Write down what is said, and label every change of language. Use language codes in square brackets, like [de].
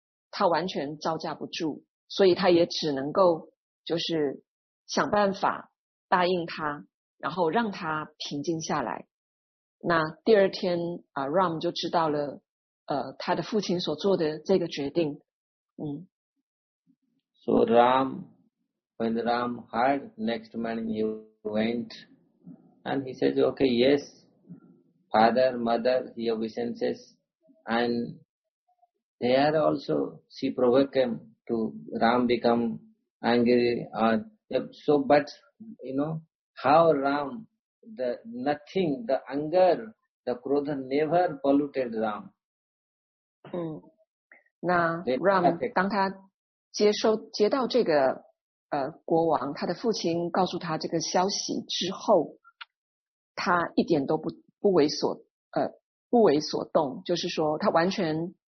[zh] 他完全招架不住，所以他也只能够就是想办法答应他，然后让他平静下来。那第二天啊 ，Ram 就知道了，他的父亲所做的这个决定。嗯。 [en] So Ram, when Ram heard next morning he went, and he says, "Okay, yes, father, mother, your wishes, and." They are also, she provoked him to Ram become angry. How Ram, the anger, the krodha never polluted Ram. [zh] 嗯，那 Ram 当他接到这个国王他的父亲告诉他这个消息之后，他一点都不为所动，就是说他完全。